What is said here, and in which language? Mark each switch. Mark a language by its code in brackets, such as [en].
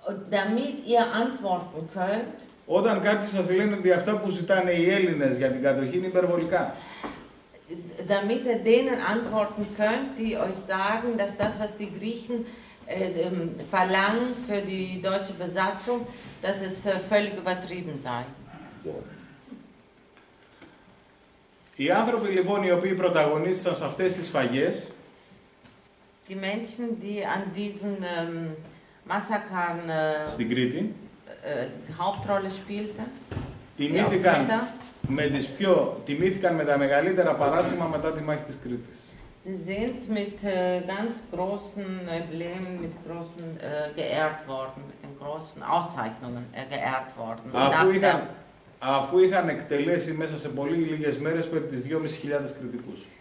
[de] Damit ihr antworten könnt. [el] Όταν κάποιοι σας λένε ότι αυτά που ζητάνε οι Έλληνες για την κατοχή είναι υπερβολικά. [de] Damit ihr denen antworten könnt, die euch sagen, dass das, was die Griechen verlangen für die deutsche Besatzung, dass es völlig übertrieben sei. [el] Οι άνθρωποι λοιπόν οι οποίοι πρωταγωνίστησαν σε αυτές τις σφαγές. [de] Die Menschen, die an diesen Massakern [el] στην Κρήτη [de] Hauptrolle spielte, [el] τιμήθηκαν, με τις πιο, τιμήθηκαν με τα μεγαλύτερα παράσημα μετά τη μάχη της Κρήτης. [de] Sie sind mit ganz großen Emblemen, mit großen geehrt worden, mit den großen Auszeichnungen geehrt worden. [el] Αφού είχαν εκτελέσει μέσα σε πολύ λίγες μέρες περί τις 2.500 κριτικούς.